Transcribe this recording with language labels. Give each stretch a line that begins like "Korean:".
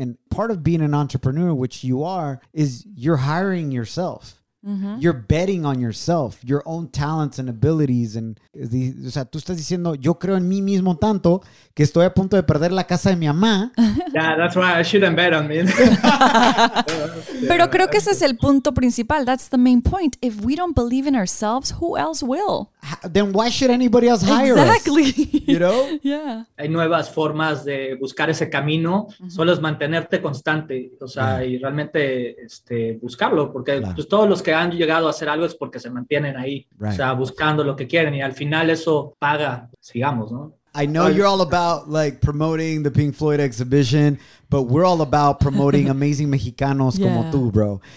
English: And part of being an entrepreneur, which you are, is you're hiring yourself. Mm-hmm. You're betting on yourself, your own talents and abilities.
Spanish: And, o sea, tú estás diciendo, yo creo en mí mismo tanto que estoy a punto de perder la casa de mi mamá.
English: Yeah, that's why I shouldn't bet on me.
Spanish: Pero creo que ese es el punto principal.
English: That's the main point. If we don't believe in ourselves, who else will? Then why should anybody else hire exactly. us? Exactly. You know? Yeah.
Spanish: Hay nuevas formas de buscar ese camino. Mm-hmm. Solo es mantenerte constante. O sea, y realmente buscarlo. Porque pues, todos los que han llegado a hacer algo es porque se mantienen ahí.
English: Right.
Spanish: O sea, buscando lo que quieren. Y al final eso paga. Sigamos, ¿no?
English: I know you're all about like promoting the Pink Floyd exhibition, but we're all about promoting amazing
Spanish: Mexicanos como tú,
English: bro.